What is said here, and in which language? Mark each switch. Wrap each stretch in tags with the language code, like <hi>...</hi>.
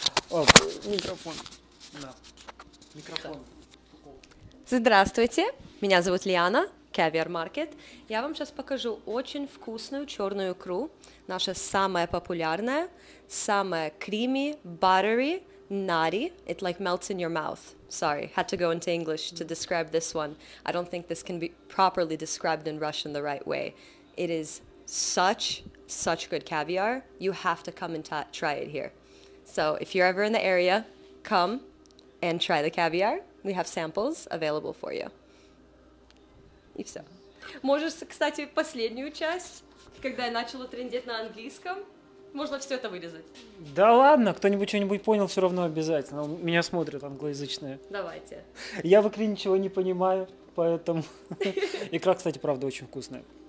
<ru>О, микрофон. Да. Микрофон. Здравствуйте, меня зовут Лиана, Caviar Market. Я вам сейчас покажу очень вкусную черную икру, наша самая популярная, самая</ru> <en>creamy, buttery, nutty. It like melts in your mouth. Sorry, had to go into English to describe this one. I don't think this can be properly described in Russian the right way. It is such, such good caviar. You have to come and try it here. So if you're ever in the area, come and try the caviar. We have samples available for you.</en> <ru>И все. Можешь, кстати, последнюю часть, когда я начала трындеть на английском, можно все это вырезать. Да ладно, кто-нибудь что-нибудь понял, все равно обязательно. Меня смотрят англоязычные. Давайте. Я в икре ничего не понимаю, поэтому... Икра, кстати, правда, очень вкусная.</ru>